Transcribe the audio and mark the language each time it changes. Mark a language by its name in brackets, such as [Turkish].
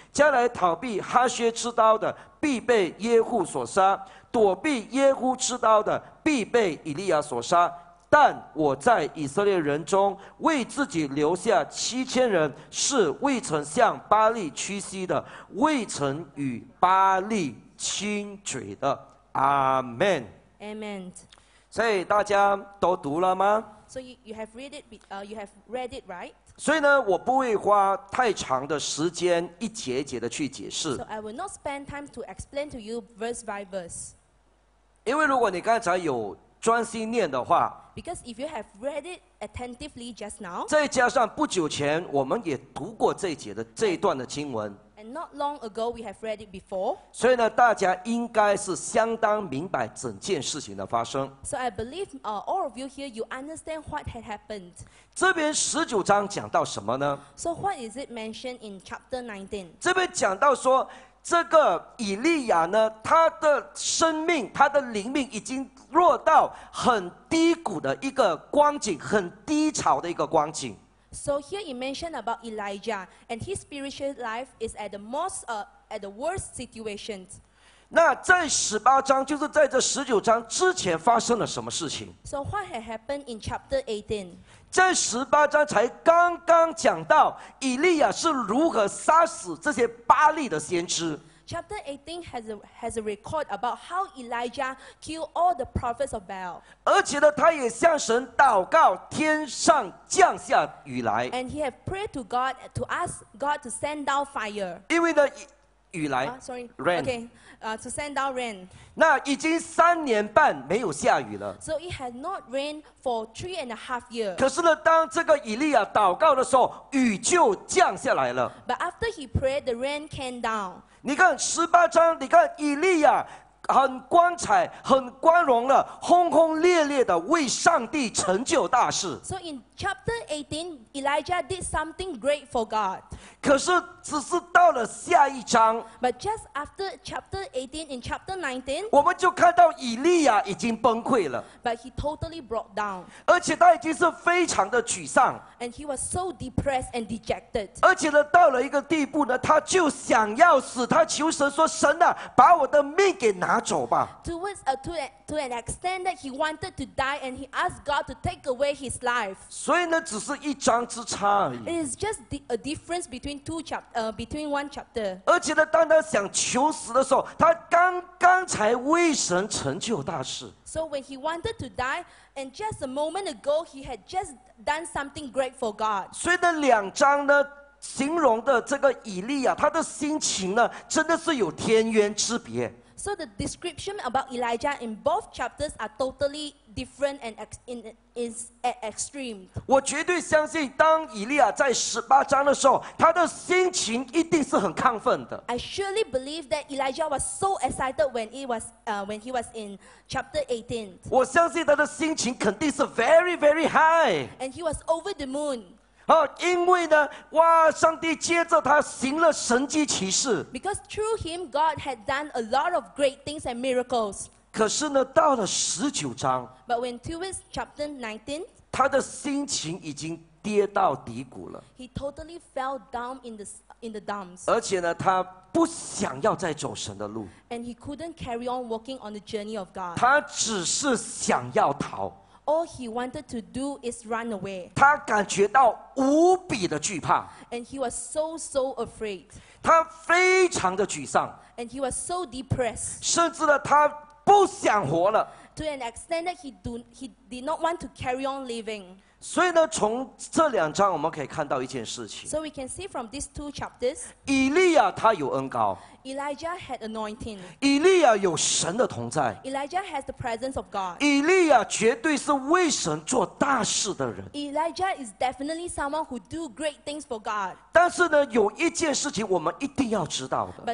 [Chinese] 将来逃避哈薛之刀的必被耶户所杀，躲避耶户之刀的必被以利亚所杀，但我在以色列人中为自己留下7000人，是未曾向巴利屈膝的，未曾与巴利亲嘴的。阿门。 [English] Amen。 [Chinese] 所以大家都读了吗？ [English] So you have read it, you have read it, right? [Chinese] 所以呢，我不会花太长的时间一节节的去解释。 [English] So I will not spend time to explain to you verse by verse. [Chinese] 因为如果你刚才有专心念的话， [English] Because if you have read it attentively just now, [Chinese] 再加上不久前我们也读过这一节的这一段的经文。 [English] And not long ago, we have read it before. [Chinese] 所以呢，大家应该是相当明白整件事情的发生。 [English] So I believe, all of you here, you understand what had happened. [Chinese] 这边十九章讲到什么呢？ [English] So what is it mentioned in chapter 19? [Chinese] 这边讲到说，这个以利亚呢，他的生命，他的灵命已经落到很低谷的一个光景，很低潮的一个光景。 [English] So here it mentioned about Elijah, and his spiritual life is at the most, at the worst situation. [Chinese] 那在十八章，就是在这十九章之前发生了什么事情？ [English] So what had happened in chapter 18? [Chinese] 在十八章才刚刚讲到以利亚是如何杀死这些巴利的先知。 [English] Chapter 18 has a record about how Elijah killed all the prophets of Baal. [Chinese] 而且呢，他也向神祷告，天上降下雨来。 [English] And he had prayed to God to ask God to send down fire. [Chinese] 因为呢，雨来。 [English] Rain. Okay. To send down rain. [Chinese] 那已经三年半没有下雨了。 [English] So it had not rained for 3.5 years. [Chinese] 可是呢，当这个以利亚祷告的时候，雨就降下来了。 [English] But after he prayed, the rain came down. [Chinese] 你看十八章，你看以利亚很光彩、很光荣的，轰轰烈烈的为上帝成就大事。 [English] So in chapter 18, Elijah did something great for God. [Chinese] 可是只是到了下一章。 [English] But just after chapter 18, in chapter 19, [Chinese] 我们就看到以利亚已经崩溃了。 [English] But he totally broke down. [Chinese] 而且他已经是非常的沮丧。 [English] And he was so depressed and dejected. [Chinese] 而且呢，到了一个地步呢，他就想要死，他求神说：“神啊，把我的命给拿走吧。” [English] To an extent that he wanted to die, and he asked God to take away his life. [Chinese] 所以呢，只是一章之差而已。 [English] It is just a difference between two chapter, between one chapter. [Chinese] 而且呢，当他想求死的时候，他刚刚才为神成就大事。 [English] So when he wanted to die, and just a moment ago, he had just done something great for God. [Chinese] 所以呢，两章呢，形容的这个以利亚，他的心情呢，真的是有天渊之别。 [English] So the description about Elijah in both chapters are totally different and is at extreme. [Chinese] 我绝对相信，当以利亚在十八章的时候，他的心情一定是很亢奋的。 [English] I surely believe that Elijah was so excited when he was in chapter 18. [Chinese] 我相信他的心情肯定是 [English] very very high. And he was over the moon. [Chinese] 哦，因为呢，哇，上帝接着他行了神迹奇事。 [English] Because through him, God had done a lot of great things and miracles. [Chinese] 可是呢，到了十九章 [English] ，But when to his chapter 19, [Chinese] 他的心情已经跌到低谷了。 [English] He totally fell down in the dumps. [Chinese] 而且呢，他不想要再走神的路。 [English] And he couldn't carry on walking on the journey of God. [Chinese] 他只是想要逃。 [English] all he wanted to do is run away. [Chinese] 他感觉到无比的惧怕。 [English] And he was so, so afraid. [Chinese] 他非常的沮丧。 [English] And he was so depressed. [Chinese] 甚至呢，他不想活了。 [English] To an extent that he did not want to carry on living. [Chinese] 所以呢，从这两章我们可以看到一件事情。 [English] So we can see from these two chapters. [Chinese] 以利亚他有恩膏。 [English] Elijah had anointing. [Chinese] 以利亚有神的同在。 [English] Elijah has the presence of God. [Chinese] 以利亚绝对是为神做大事的人。 [English] Elijah is definitely someone who do great things for God. [Chinese] 但是呢，有一件事情我们一定要知道的。